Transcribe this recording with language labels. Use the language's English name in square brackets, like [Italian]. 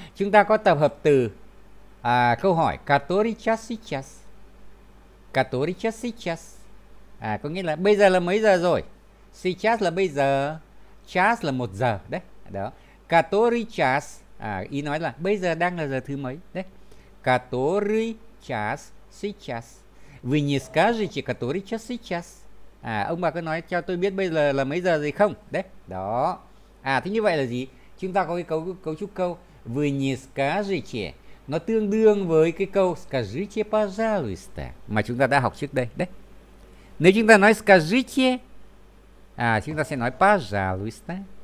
[Vietnamese] Chúng ta có tập hợp từ câu hỏi [Russian] который час сейчас? Который час сейчас? [Vietnamese] À, có nghĩa là bây giờ là mấy giờ rồi? Сейчас là bây giờ. Час là một giờ, đấy. [Russian] Đó. Который час? [Vietnamese] À, ý nói là bây giờ đang là giờ thứ mấy? [Russian] Đấy. Который час сейчас? Вы не скажете, который час сейчас? [Vietnamese] À, ông bà có nói cho tôi biết bây giờ là mấy giờ rồi không? Đấy, đó. À, thế như vậy là gì? [Russian] Чем так вы кого чу кого? Вы не скажете. [Vietnamese] Но tương đương với cái câu [Russian] скажите, пожалуйста, [Vietnamese] mà chúng ta đã học trước đây, đấy. Nếu chúng ta nói скажите, à chúng ta sẽ nói пожалуйста.